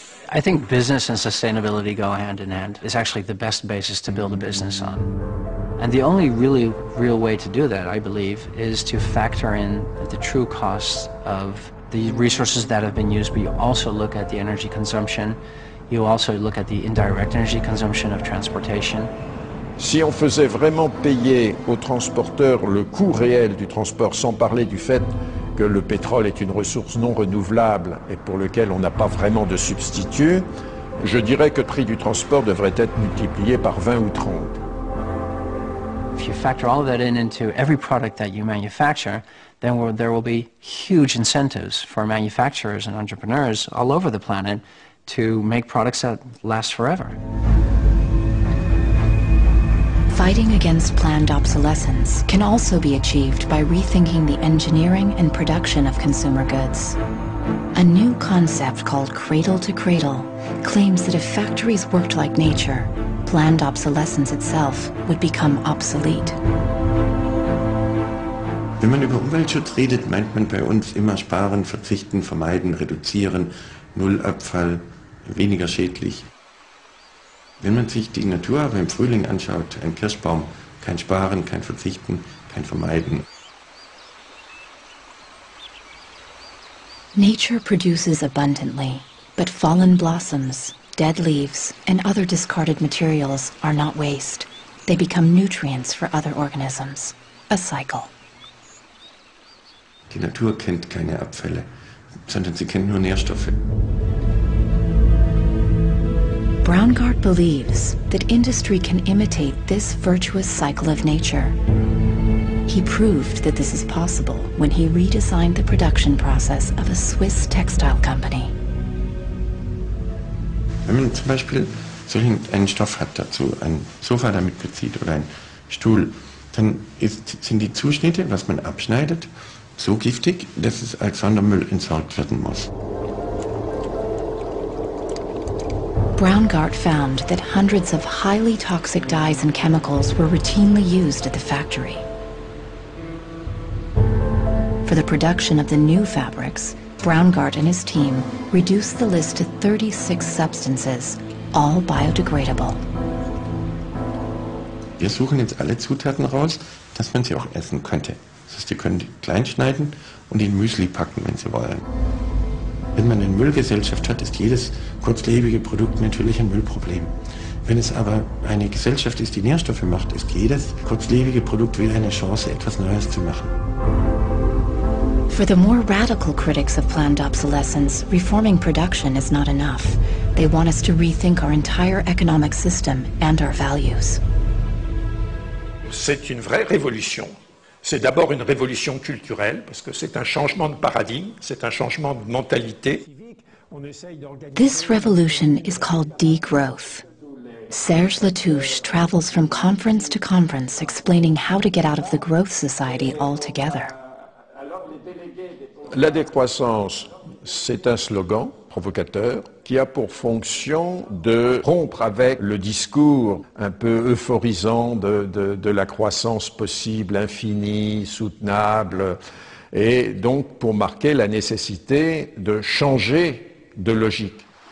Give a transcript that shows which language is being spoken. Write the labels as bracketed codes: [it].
[en] I think business and sustainability go hand in hand. It's actually the best basis to build a business on. And the only really real way to do that, I believe, is to factor in the true costs of the resources that have been used, but you also look at the energy consumption. You also look at the indirect energy consumption of transportation. [fr] Si on faisait vraiment payer aux transporteurs le coût réel du transport, sans parler du fait que le pétrole est une ressource non renouvelable et pour lequel on n'a pas vraiment de substitut, je dirais que le prix du transport devrait être multiplié par 20 ou 30. [en] If you factor all of that in into every product that you manufacture, then there will be huge incentives for manufacturers and entrepreneurs all over the planet to make products that last forever. Fighting against planned obsolescence can also be achieved by rethinking the engineering and production of consumer goods. A new concept called cradle to cradle claims that if factories worked like nature, planned obsolescence itself would become obsolete. [de] Wenn man über Umweltschutz redet, meint man bei uns immer sparen, verzichten, vermeiden, reduzieren, null Abfall, weniger schädlich. Wenn man sich die Natur aber im Frühling anschaut, ein Kirschbaum, kein Sparen, kein Verzichten, kein Vermeiden. [en] Nature produces abundantly, but fallen blossoms, dead leaves, and other discarded materials are not waste. They become nutrients for other organisms. A cycle. [de] Die Natur kennt keine Abfälle, sondern sie kennt nur Nährstoffe. [en] Braungart believes that industry can imitate this virtuous cycle of nature. He proved that this is possible when he redesigned the production process of a Swiss textile company. [de] Wenn man zum Beispiel so einen Stoff hat dazu, ein Sofa damit bezieht oder ein Stuhl, dann sind die Zuschnitte, was man abschneidet, so giftig, dass es als Sondermüll entsorgt werden muss. [en] Braungart found that hundreds of highly toxic dyes and chemicals were routinely used at the factory. For the production of the new fabrics, Braungart and his team reduced the list to 36 substances, all biodegradable. [de] Wir suchen jetzt alle Zutaten raus, dass man sie auch essen könnte. Das heißt, sie können klein schneiden und in Müsli packen, wenn sie wollen. Wenn man eine Müllgesellschaft hat, ist jedes kurzlebige Produkt natürlich ein Müllproblem. Wenn es aber eine Gesellschaft ist, die Nährstoffe macht, ist jedes kurzlebige Produkt wieder eine Chance, etwas Neues zu machen. [en] For the more radical critics of planned obsolescence, reforming production is not enough. They want us to rethink our entire economic system and our values. [fr] C'est une vraie révolution. C'est d'abord une révolution culturelle, parce que c'est un changement de paradigme, c'est un changement de mentalité. [en] This revolution is called degrowth. Serge Latouche travels from conference to conference explaining how to get out of the growth society altogether. [fr] La décroissance, c'est un slogan provocateur qui a pour fonction de rompre avec le discours un peu euphorisant de la croissance possible, infinie, soutenable, et donc pour marquer la nécessité de changer de logique.